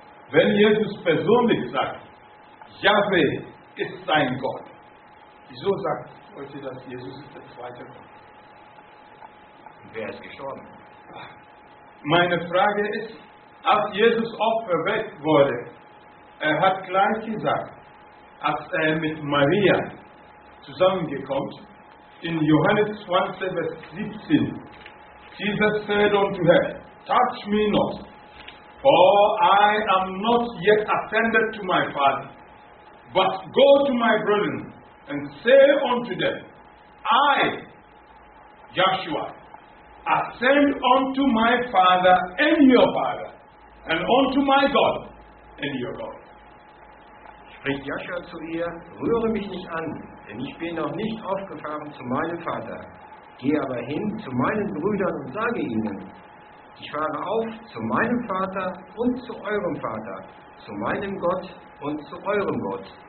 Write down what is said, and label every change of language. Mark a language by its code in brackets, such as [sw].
[de] Wenn Jesus persönlich sagt, Yahweh ist sein Gott, wieso sagt heute, dass Jesus ist der zweite Gott? Wer ist gestorben? Meine Frage ist, als Jesus auferweckt wurde, er hat gleich gesagt, als er mit Maria zusammengekommen. In Johannes 20, Vers 17, [en] Jesus said unto her, touch me not, for I am not yet ascended to my Father, but go to my brethren and say unto them, I, Joshua, ascend unto my Father and your Father, and unto my God and your God. [de] Spricht Joshua zu ihr, rühre mich nicht an, denn ich bin noch nicht aufgefahren zu meinem Vater. Geh aber hin zu meinen Brüdern und sage ihnen, ich fahre auf zu meinem Vater und zu eurem Vater, zu meinem Gott und zu eurem Gott.